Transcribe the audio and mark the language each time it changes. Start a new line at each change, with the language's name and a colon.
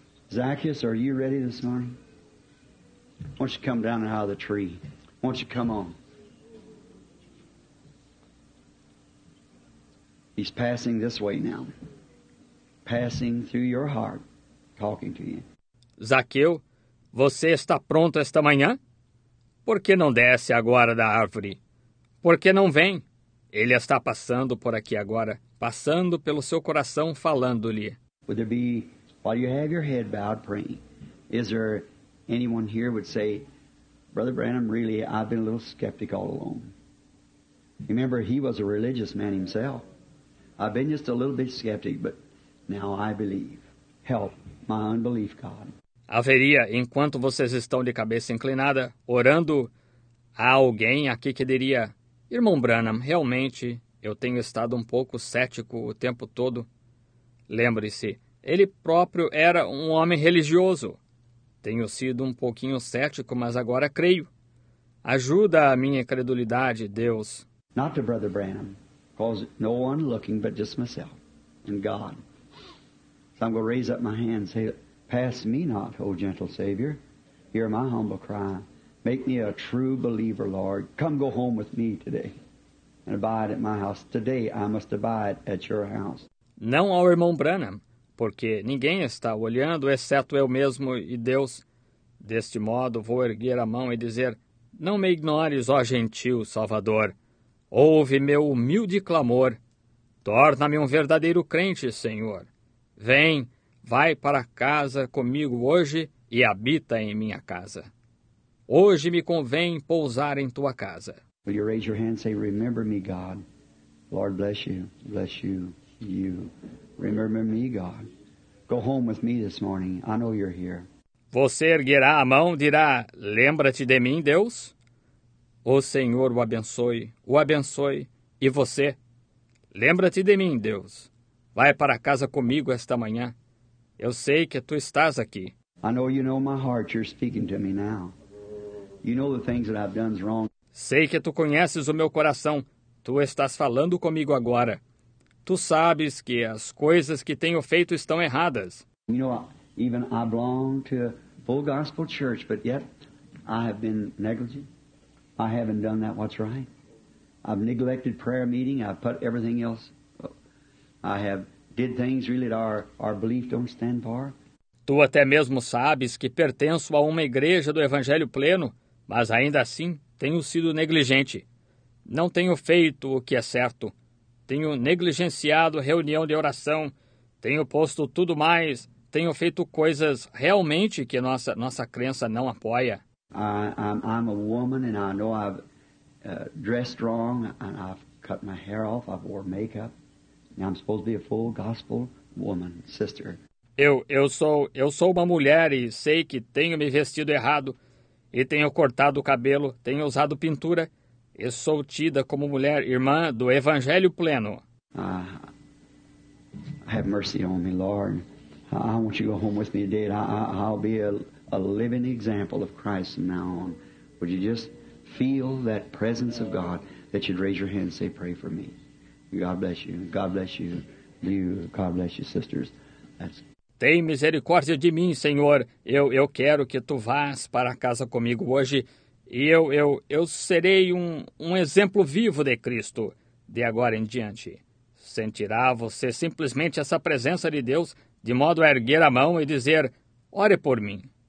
English: Zacchaeus, are you ready this morning? Why don't you come down out of the tree? Why don't you come on? He's passing this way now. Passing through your heart, talking to you.
Portuguese: Zaqueu, você está pronto esta manhã? Por que não desce agora da árvore? Por que não vem? Ele está passando por aqui agora, passando pelo seu coração, falando-lhe.
English: Would there be, while you have your head bowed praying, is there anyone here would say, "Brother Branham, really, I've been a little skeptic all along. Remember, he was a religious man himself. I've been just a little bit skeptic, but now I believe. Help my unbelief, God."
Portuguese: Haveria, enquanto vocês estão de cabeça inclinada, orando, há alguém aqui que diria: "Irmão Branham, realmente, eu tenho estado um pouco cético o tempo todo." Lembre-se, ele próprio era um homem religioso. "Tenho sido um pouquinho cético, mas agora creio. Ajuda a minha incredulidade, Deus."
English: Not to Brother Branham, because no one looking but just myself and God. So I'm going to raise up my hand and say, "Pass me not, O gentle Savior. Hear my humble cry. Make me a true believer, Lord. Come go home with me today and abide at my house. Today I must abide at your house."
Portuguese: Não ao irmão Branham, porque ninguém está olhando, exceto eu mesmo e Deus. Deste modo, vou erguer a mão e dizer: "Não me ignores, ó gentil Salvador. Ouve meu humilde clamor. Torna-me um verdadeiro crente, Senhor. Vem, vai para casa comigo hoje e habita em minha casa. Hoje me convém pousar em tua casa.
English: Will you raise your hand and say, remember me, God. Lord, bless you, you. Remember me, God. Go home with me this morning. I know you're here.
Portuguese: Você erguerá a mão e dirá, lembra-te de mim, Deus? O Senhor o abençoe, e você? Lembra-te de mim, Deus. Vai para casa comigo esta manhã. Eu sei que tu estás aqui.
English: I know you know my heart. You're speaking to me now. You know the things that I've done wrong.
Portuguese: Sei que tu conheces o meu coração. Tu estás falando comigo agora. Tu sabes que as coisas que tenho feito estão erradas.
English: You know, even I belong to a full gospel church, but yet I have been negligent. I haven't done that what's right. I've neglected prayer meeting. I've put everything else. I have did things really that our belief don't stand for.
Portuguese: Tu até mesmo sabes que pertenço a uma igreja do Evangelho Pleno, mas ainda assim tenho sido negligente. Não tenho feito o que é certo. Tenho negligenciado reunião de oração. Tenho posto tudo mais. Tenho feito coisas realmente que nossa crença não apoia.
English: I'm a woman and I know I've dressed wrong and I've cut my hair off. I've worn makeup. And I'm supposed to be a full gospel woman, sister.
Portuguese: Eu sou uma mulher e sei que tenho me vestido errado e tenho cortado o cabelo, tenho usado pintura. Eu sou tida como mulher irmã do Evangelho Pleno.
English: Have mercy on me, Lord. I want you to go home with me today. I'll be a living example of Christ from now on. Would you just feel that presence of God, that you'd raise your hand and say, pray for me. God bless you. God bless you. You. God bless you, sisters. That's...
Portuguese: Tem misericórdia de mim, Senhor. Eu quero que tu vás para casa comigo hoje. E eu serei um exemplo vivo de Cristo de agora em diante. Sentirá você simplesmente essa presença de Deus de modo a erguer a mão e dizer, ore por mim.